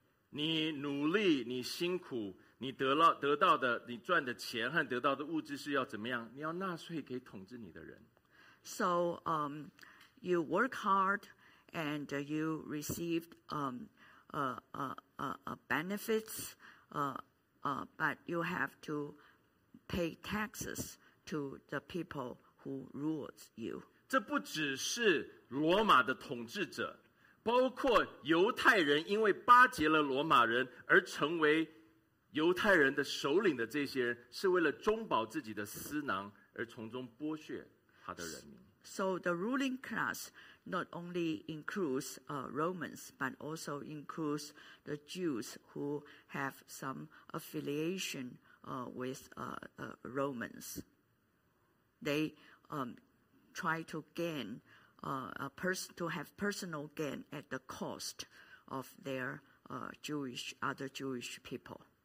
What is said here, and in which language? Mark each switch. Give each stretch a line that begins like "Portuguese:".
Chinese: 你努力，你辛苦，你得到的，你赚的钱和得到的物质是要怎么样？你要纳税给统治你的人。
English: So, you work hard, and you received benefits. But you have to pay taxes to the people who rules you.
Chinese: 这不只是罗马的统治者，包括犹太人，因为巴结了罗马人而成为犹太人的首领的这些人，是为了中保自己的私囊而从中剥削他的人民。
English: So the ruling class not only includes Romans, but also includes the Jews who have some affiliation with Romans. They try to gain to have personal gain at the cost of their other Jewish people.